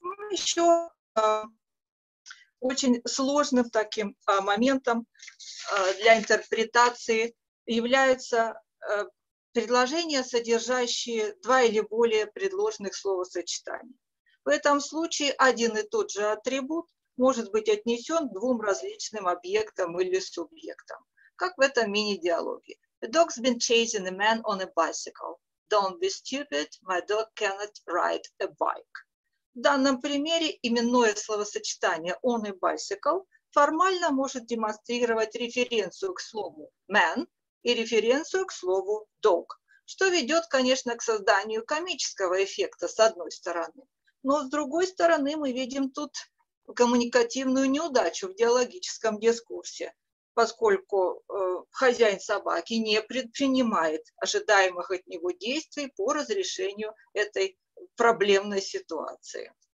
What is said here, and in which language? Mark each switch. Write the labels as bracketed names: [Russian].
[Russian] Еще очень сложным таким моментом для интерпретации являются предложения, содержащие два или более предложенных словосочетаний. В этом случае один и тот же атрибут может быть отнесен к двум различным объектам или субъектам, как в этом мини-диалоге. [English] The dog's been chasing a man on a bicycle. Don't be stupid, my dog cannot ride a bike. [Russian] В данном примере именное словосочетание [English] on a bicycle [Russian] формально может демонстрировать референцию к слову man и референцию к слову dog, что ведет, конечно, к созданию комического эффекта с одной стороны. Но с другой стороны мы видим тут коммуникативную неудачу в диалогическом дискурсе, поскольку хозяин собаки не предпринимает ожидаемых от него действий по разрешению этой проблемной ситуации.